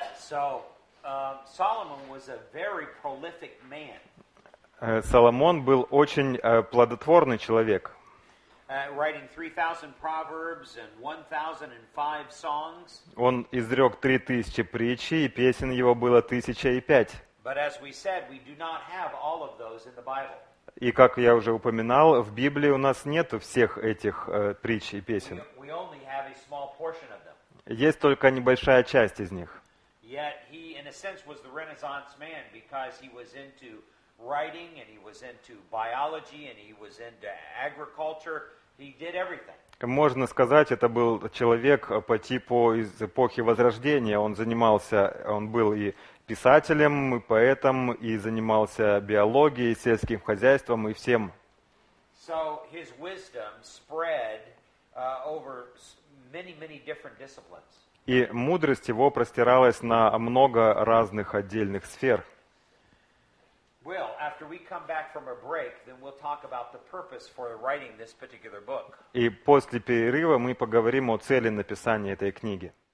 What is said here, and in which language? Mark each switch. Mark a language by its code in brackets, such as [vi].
[en] So, Solomon was a very prolific man. [ru] Соломон был очень плодотворный человек. [en] Writing 3,000 proverbs and 1,005 songs. [ru] Он изрек 3,000 притч, и песен его было 1,005. [en] But as we said, we do not have all of those in the Bible. [ru] И как я уже упоминал, в Библии у нас нет всех этих притч и песен. [en] We only have a small portion of them. [ru] Есть только небольшая часть из них. [en] Yet he, in a sense, was the Renaissance man because he was into writing and he was into biology and he was into agriculture. He did everything. [ru] Можно сказать, это был человек по типу из эпохи Возрождения. Он занимался, он был и писателем, и поэтом, и занимался биологией, сельским хозяйством и всем. [en] So his wisdom spread over many, many different disciplines. [ru] И мудрость его простиралась на много разных отдельных сфер. [en] Well, after we come back from a break, then we'll talk about the purpose for writing this particular book. [ru] И после перерыва мы поговорим о цели написания этой книги.